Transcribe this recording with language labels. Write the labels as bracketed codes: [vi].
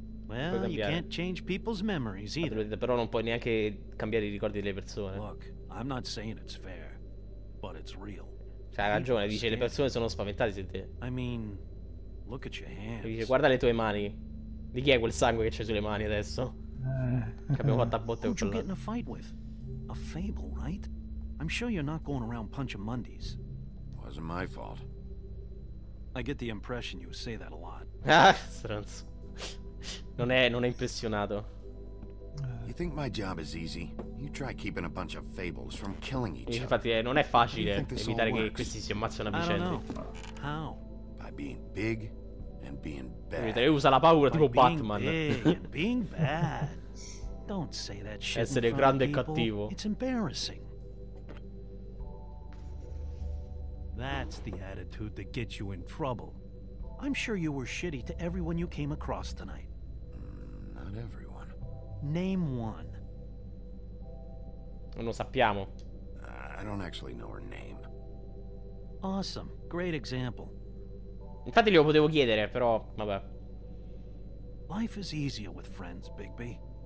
[en] Well, you can't change people's memories either. [it] Però non puoi neanche cambiare i ricordi delle persone. [en] Look, I'm not saying it's fair, but it's real. [it] C'hai ragione, dice le persone sono spaventate di te. [en] I mean, look at your hands. [it] Dice guarda le tue mani. Di chi è quel sangue che c'è sulle mani adesso? Che abbiamo fatto a botte con quello. [en] Who'd you get in a fight with? A fable, right? I'm sure you're not going around punching Mundies. Wasn't my fault. I get the impression you say that a lot. [it] Stronzo. Non è impressionato. [en] You think my job is easy? You try keeping a bunch of fables from killing each other. [it] Infatti, non è facile evitare che questi si ammazzino a vicenda. [en] How? By being big and being bad. [it] Vedete, usa la paura tipo Batman. [en] Being bad. Don't say that shit. [it] Essere grande e cattivo. [en] It's embarrassing. That's the attitude that gets you in trouble. I'm sure you were shitty to everyone you came across tonight. Not everyone. Name one. [it] Non lo sappiamo. [en] I don't actually know her name. Awesome. Great example. [it] Infatti glielo potevo chiedere, però vabbè. [en] Life is easier with friends, Bigby.